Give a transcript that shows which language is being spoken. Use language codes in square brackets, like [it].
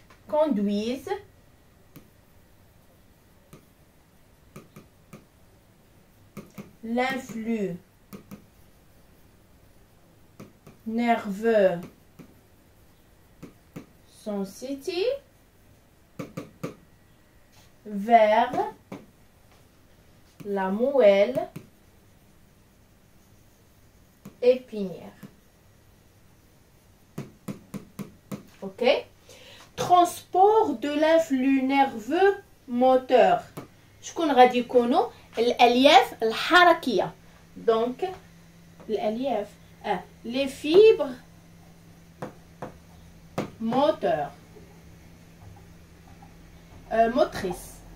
[fr] كوندويز لانفلو نيرفو سونسيتيف vers la moelle épinière. OK. Transport de l'influx nerveux moteur. [ar] شكون غادي يكونوا الالياف الحركيه؟ دونك الالياف [fr] les fibres moteurs motrices.